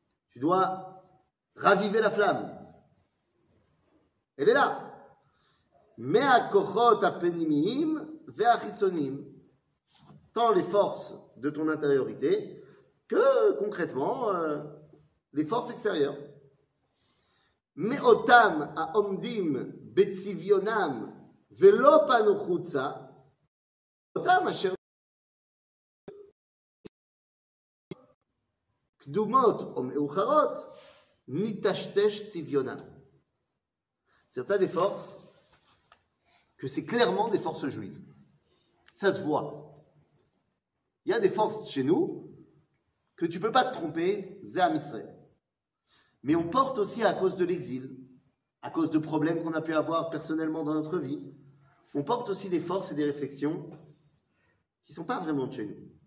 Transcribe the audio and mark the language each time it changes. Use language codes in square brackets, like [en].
[fr] Tu dois raviver la flamme. Elle est là. [he] Me'akochot apenimim ve'achitsonim. [fr] Tant les forces de ton intériorité que concrètement les forces extérieures. [he] Me'otam ha'omdim בצביונם ולא פנו חוצה, אותם אשר קדומות או מאוחרות, ניטשטש צביונם. [fr] Certains des forces, que c'est clairement des forces juives. Ça se voit. Il y a des forces chez nous que tu ne peux pas te tromper, [he] Zéham Israël. [fr] Mais on porte aussi à cause de l'exil, à cause de problèmes qu'on a pu avoir personnellement dans notre vie, on porte aussi des forces et des réflexions qui ne sont pas vraiment de chez nous.